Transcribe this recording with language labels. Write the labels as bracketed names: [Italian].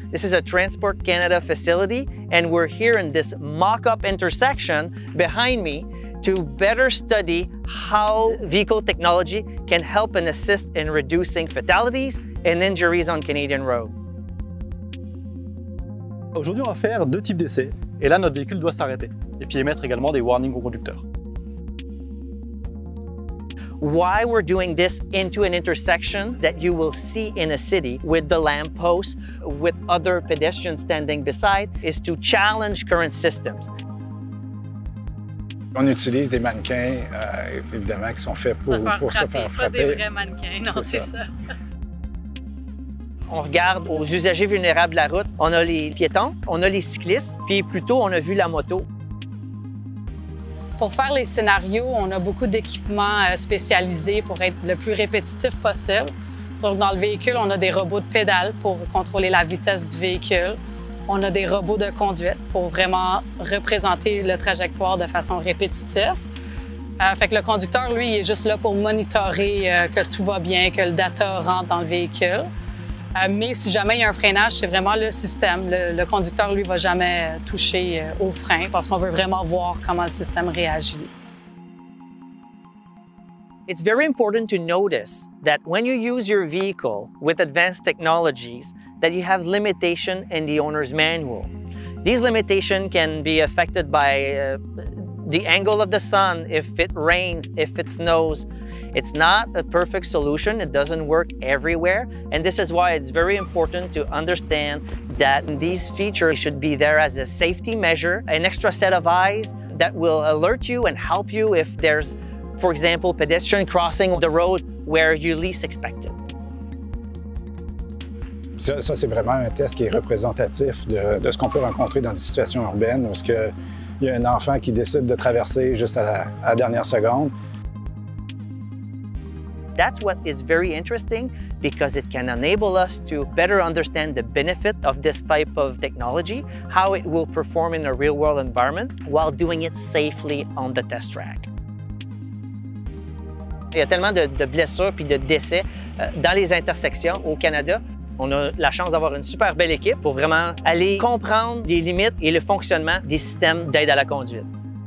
[English] This is a Transport Canada facility, and we're here in this mock-up intersection behind me to better study how vehicle technology can help and assist in reducing fatalities and injuries on Canadian roads. [French] Aujourd'hui, on va faire deux types d'essais. Et là, notre véhicule doit s'arrêter et puis émettre également des warnings au conducteur. [English] Why we're doing this into an intersection that you will see in a city with the lamp post, with other pedestrians standing beside, is to challenge current systems. [French] On utilise des mannequins, évidemment, qui sont faits pour se faire frapper. Pas des vrais mannequins, non, c'est ça. On regarde aux usagers vulnérables de la route. On a les piétons, on a les cyclistes, puis plutôt, on a vu la moto. Pour faire les scénarios, on a beaucoup d'équipements spécialisés pour être le plus répétitif possible. Donc, dans le véhicule, on a des robots de pédale pour contrôler la vitesse du véhicule. On a des robots de conduite pour vraiment représenter la trajectoire de façon répétitive. Fait que le conducteur, lui, il est juste là pour monitorer que tout va bien, que le data rentre dans le véhicule. Mais si jamais il y a un freinage, c'est vraiment le système. Le conducteur, lui, ne va jamais toucher au frein parce qu'on veut vraiment voir comment le système réagit. [English] It's very important to notice that when you use your vehicle with advanced technologies, that you have limitations in the owner's manual. These limitations can be affected by the angle of the sun, if it rains, if it snows. It's not a perfect solution. It doesn't work everywhere. And this is why it's very important to understand that these features should be there as a safety measure, an extra set of eyes that will alert you and help you if there's, for example, pedestrian crossing the road where you least expect it. [French] Ça c'est vraiment un test qui est représentatif de ce qu'on peut rencontrer dans des situations urbaines où il y a un enfant qui décide de traverser juste à la dernière seconde. [English] That's what is very interesting because it can enable us to better understand the benefit of this type of technology, how it will perform in a real-world environment while doing it safely on the test track. [French] Il y a tellement de blessures puis de décès dans les intersections au Canada. On a la chance d'avoir une super belle équipe pour vraiment aller comprendre les limites et le fonctionnement des systèmes d'aide à la conduite.